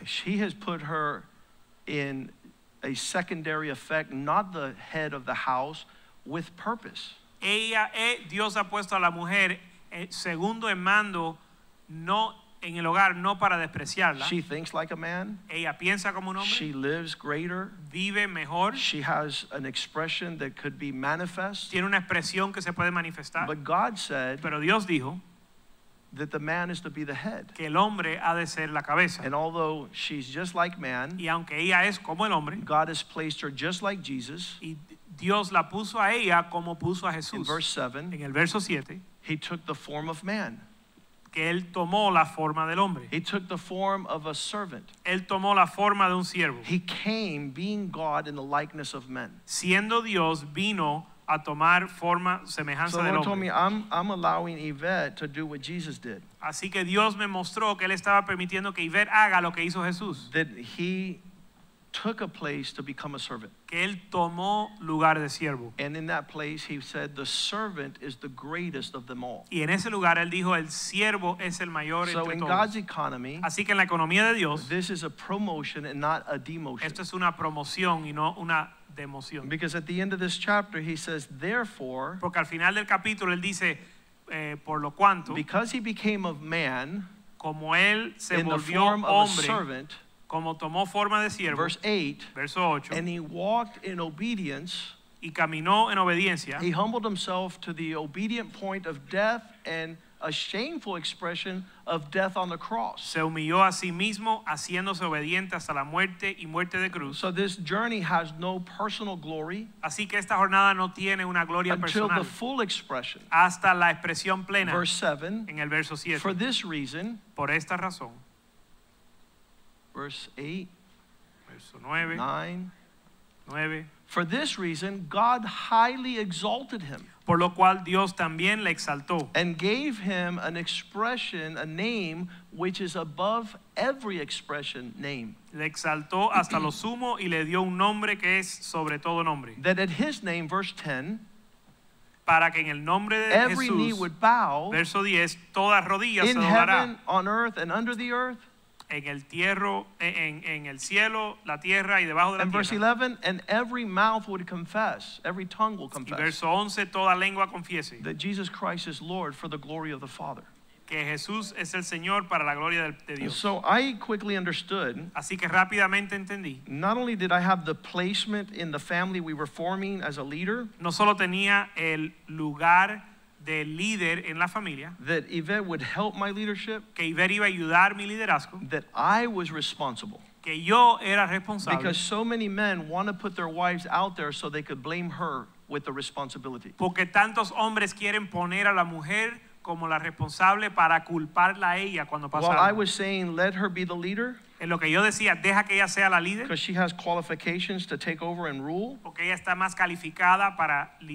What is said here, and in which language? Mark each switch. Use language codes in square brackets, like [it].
[en] She has put her in a secondary effect, not the head of the house, with purpose. [es] Dios ha puesto a la mujer segundo en mando, no en el hogar, no para despreciarla. [en] She thinks like a man. [es] Ella piensa como un hombre. [en] She lives greater. [es] Vive mejor. [en] She has an expression that could be manifest. [es] Tiene una expresión que se puede manifestar. [en] But God said, [es] pero Dios dijo, [en] that the man is to be the head. [es] Que el hombre ha de ser la cabeza. [en] And although she's just like man, [es] y aunque ella es como el hombre, [en] God has placed her just like Jesus. [es] Y Dios la puso a ella como puso a Jesús. [en] In verse 7, [es] en el verso 7, [en] he took the form of man. [es] Que él tomó la forma del hombre. [en] He took the form of a servant. [es] Él tomó la forma de un siervo. [en] He came being God in the likeness of men. [es] Siendo Dios, vino a tomar forma semejanza [en] so [es] del hombre. [en] So the Lord told me, I'm allowing Yvette to do what Jesus did. [es] Así que Dios me mostró que él estaba permitiendo que Yvette haga lo que hizo Jesús. [en] That he took a place to become a servant. [es] Que él tomó lugar de siervo. [en] And in that place he said the servant is the greatest of them all. [es] Y en ese lugar él dijo el siervo es el mayor entre todos. [en] So in God's economy, [es] así que en la economía de Dios, [en] this is a promotion and not a demotion. [es] Esto es una promoción y no una democión. [en] Because at the end of this chapter he says therefore, [es] porque al final del capítulo él dice por lo cuanto, [en] because he became of man, [es] como él se [en] in [es] volvió [en] the form [es] hombre, [en] of a servant, [es] como tomó forma de siervo, [en] verse 8, [es] verso 8, [en] and he walked in obedience, [es] y caminó en obediencia, [en] he humbled himself to the obedient point of death and a shameful expression of death on the cross. [es] Se humilló a sí mismo, haciéndose obediente hasta la muerte y muerte de cruz. [en] So this journey has no personal glory. [es] Así que esta jornada no tiene una gloria [en] until [es] personal. [en] Until the full expression. [es] Hasta la expresión plena. [en] Verse 7, [es] en el verso 7. [en] For this reason. [es] Por esta razón. [en] Verse [es] 8, verso 9, 9. [en] For this reason, God highly exalted him. [es] Por lo cual Dios también le exaltó. [en] And gave him an expression, a name, which is above every expression, name. [es] Le exaltó hasta lo sumo y le dio un nombre que es sobre todo nombre. [en] That at his name, verse 10, [es] para que en el nombre de [en] every [es] Jesús, [en] knee would bow, [es] verso 10, todas rodillas [en] in [es] se doblará, [en] heaven, on earth, and under the earth, [es] en el tierra, en el cielo, la tierra y debajo de la [en] and [es] tierra. [en] And verse 11, and every mouth would confess, every tongue will confess. [es] Y verso 11, toda lengua confiese. [en] That Jesus Christ is Lord for the glory of the Father. [es] Que Jesús es el Señor para la gloria de Dios. [en] So I quickly understood. [es] Así que rápidamente entendí. [en] Not only did I have the placement in the family we were forming as a leader. [es] No solo tenía el lugar de líder en la familia, [en] that Yvette would help my leadership, [es] que Yvette iba a ayudar mi liderazgo, [en] that I was responsible, [es] que yo era responsable, [en] because so many men want to put their wives out there so they could blame her with the responsibility, [es] porque tantos hombres quieren poner a la mujer como la responsable para culparla a ella cuando pasa. [en] While I was saying let her be the leader, [es] en lo que yo decía, deja que ella sea la líder, [en] because she has qualifications to take over and rule, [es] porque ella está más calificada para